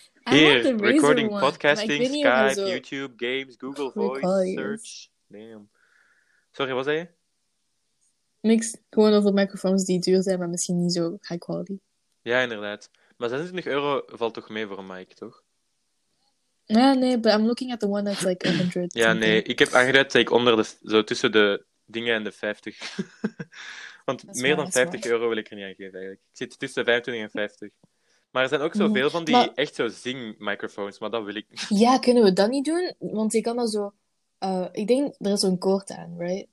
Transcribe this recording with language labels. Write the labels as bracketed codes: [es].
[nl] Hier, recording, [en] one. Podcasting, Skype, [nl] zo... [en] YouTube, games, Google Voice, search. Damn. [nl] Sorry, wat zei je? Niks, gewoon over microfoons die duur zijn, maar misschien niet zo [en] high quality. [nl] Ja, inderdaad. Maar 26 euro valt toch mee voor een mic, toch? Ja, nee, [en] but I'm looking at the one that's like 100. [nl] Ja, nee, ik heb aangeduid dat ik onder de, zo tussen de dingen en de 50. [en] Want that's [nl] meer dan 50 euro wil ik er niet aan geven, eigenlijk. Ik zit tussen de 25 en 50. Maar er zijn ook zoveel van die echt zo zing microfoons, maar dat wil ik niet. Ja, kunnen we dat niet doen? Want je kan dan zo... ik denk, er is zo'n koord aan, right?